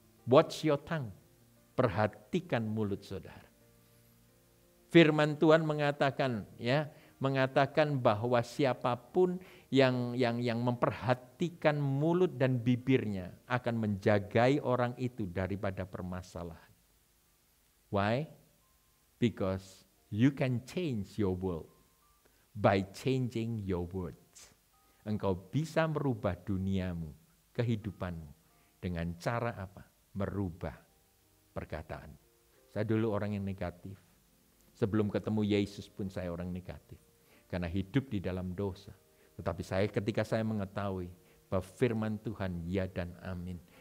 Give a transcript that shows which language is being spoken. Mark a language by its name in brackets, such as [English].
[English] Watch your tongue, [Indonesian] perhatikan mulut saudara. Firman Tuhan mengatakan ya, mengatakan bahwa siapapun yang memperhatikan mulut dan bibirnya akan menjagai orang itu daripada permasalahan. [English] Why? Because you can change your world by changing your words. [Indonesian] Engkau bisa merubah duniamu, kehidupanmu. Dengan cara apa? Merubah perkataan. Saya dulu orang yang negatif. Sebelum ketemu Yesus pun saya orang negatif. Karena hidup di dalam dosa. Tetapi saya ketika saya mengetahui bahwa firman Tuhan ya dan amin.